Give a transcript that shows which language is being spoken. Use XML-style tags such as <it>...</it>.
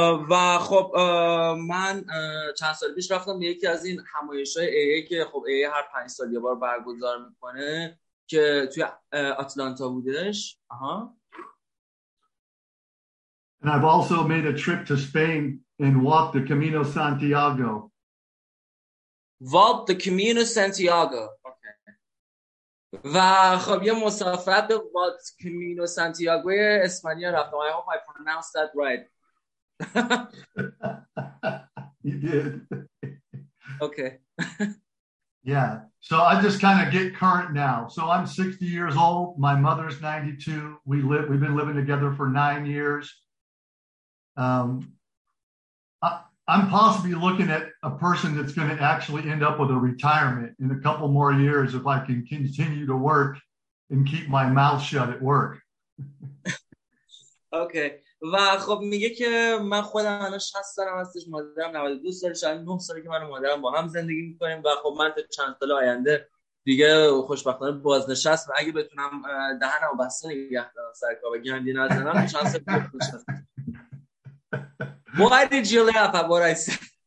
<fa>و خب من چند سال پیش رفتم به یکی از این همایش‌های AA که خب AA هر 5 سال یه بار برگزار می‌کنه که توی آتلانتا بودش.</fa> <en>And I've also made a trip to Spain and walked the Camino Santiago. Walked the Camino Santiago. Okay.</en> <fa>و خب یه مسافرت به</fa> <en>Walked</en> <fa>Camino Santiago اسپانیا رفتم.</fa> <en>I hope I pronounced that right. You did. Okay. Yeah. So I just kind of get current now. So I'm 60 years old. My mother's 92. We've been living together for 9 years. I'm possibly looking at a person that's going to actually end up with a retirement in a couple more years if I can continue to work and keep my mouth shut at work. Okay.</en> <fa>و خب میگه که من خودم الان 60 سالم هستش، مادرم 92 سالش، الان 9 ساله که من و مادرم با هم زندگی میکنیم و خب من تا چند سال آینده دیگه خوشبختانه بازنشست و اگه بتونم دهنمو بسته نگه دارم سر کار و گندی نزنم چند سال دیگه خوشبختم.</fa> <en>Why did you laugh at what I said?</en>